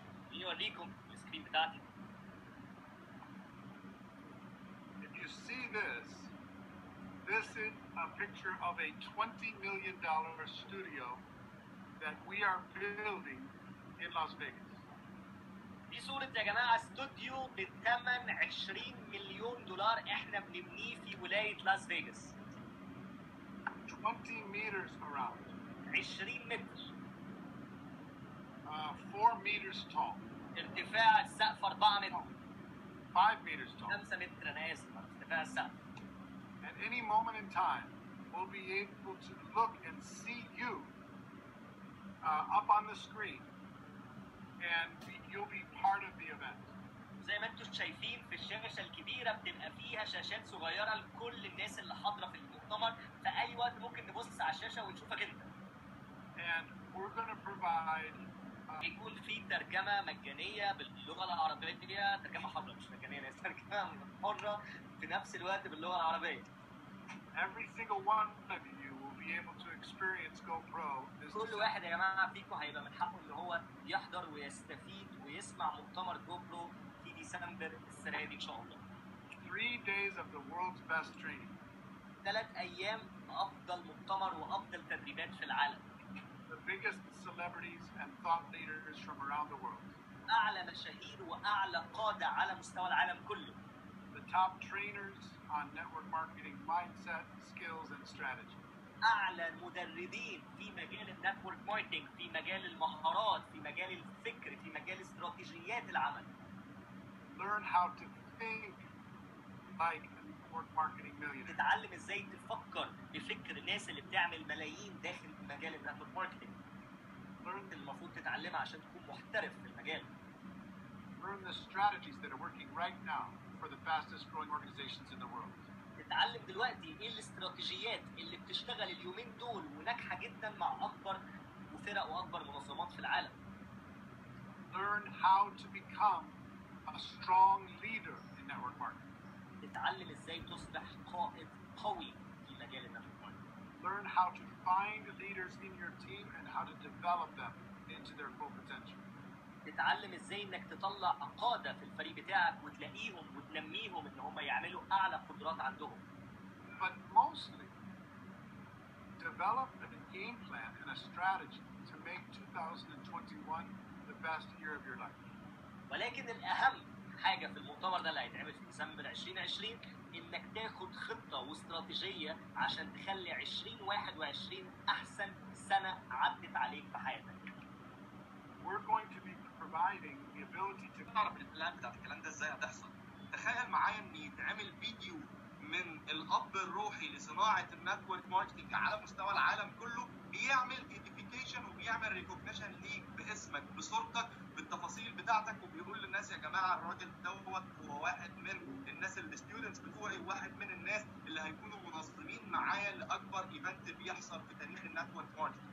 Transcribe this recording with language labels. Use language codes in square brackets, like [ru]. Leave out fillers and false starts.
[en] Video leak on the screen. If you see this, this is a picture of a $20 million studio that we are building in Las Vegas. [ar] دي صورة يا جماعة استوديو بالثمن 20 مليون دولار احنا بنبنيه في ولاية لاس فيغاس. [en] 20 meters around. [ar] 20 متر. [en] 4 meters tall. [ar] ارتفاع السقف 4 متر. [en] 5 meters tall. [ar] 5 متر انا اسف ارتفاع السقف. [en] At any moment in time, we'll be able to look and see you up on the screen. And you'll be part of the event. [ar] زي ما انتم شايفين في الشاشه الكبيره بتبقى فيها شاشات صغيره لكل الناس اللي حاضره في المؤتمر في اي وقت ممكن نبص على الشاشه ونشوفك انت. [en] And we're going to provide [ar] يكون في ترجمه مجانيه باللغه العربيه ترجمه حره مش مجانيه يعني ترجمه حره في نفس الوقت باللغه العربيه. [en] Every single one of you will be able to experience GoPro. [ar] كل واحد يا جماعة فيكم هيبقى من حقه اللي هو يحضر ويستفيد ويسمع مؤتمر GoPro في ديسمبر السنة دي إن شاء الله. [en] Three days of the world's best training. [ar] ثلاث أيام أفضل مؤتمر وأفضل تدريبات في العالم. [en] The biggest celebrities and thought leaders from around the world. [ar] أعلى مشاهير وأعلى قادة على مستوى العالم كله. [en] The top trainers on network marketing mindset, skills, and strategy. [ar] أعلى المدربين في مجال النتورك ماركتينج في مجال المهارات في مجال الفكر في مجال استراتيجيات العمل. [en] Learn how to think like a network marketing millionaire. [ar] تتعلم إزاي تفكر بفكر الناس اللي بتعمل ملايين داخل مجال النتورك ماركتينج. [en] Learn [ar] المفروض تتعلمها عشان تكون محترف في المجال. [en] Learn the strategies that are working right now. For the fastest growing organizations in the world. [ar] تتعلم دلوقتي ايه الاستراتيجيات اللي بتشتغل اليومين دول وناجحه جدا مع اكبر وفرق واكبر منظمات في العالم. [en] Learn how to become a strong leader in network marketing. [ar] تتعلم ازاي تصبح قائد قوي في مجال النتورك ماركتنج. [en] Learn how to find leaders in your team and how to develop them into their full potential. [ar] تتعلم ازاي انك تطلع قادة في الفريق بتاعك وتلاقيهم وتنميهم ان هم يعملوا اعلى قدرات عندهم. [en] But mostly develop a game plan and a strategy to make 2021 the best year of your life. [ar] ولكن الاهم حاجة في المؤتمر ده اللي هيتعمل في ديسمبر 2020 انك تاخد خطة واستراتيجية عشان تخلي 2021 احسن سنة عدت عليك في حياتك. [en] We're going to be providing the ability to [ar] تعرف البلان بتاع الكلام ده ازاي هتحصل. تخيل معايا ان يتعمل فيديو من الاب الروحي لصناعه النتورك ماركتنج على مستوى العالم كله بيعمل ايديفيكيشن وبيعمل ريكوجنيشن ليك باسمك بصورتك بالتفاصيل بتاعتك وبيقول للناس يا جماعه الراجل دوت هو واحد من الناس الستودنتس بتوعي واحد من الناس اللي هيكونوا منظمين معايا لاكبر ايفنت بيحصل في تاريخ النتورك ماركتنج.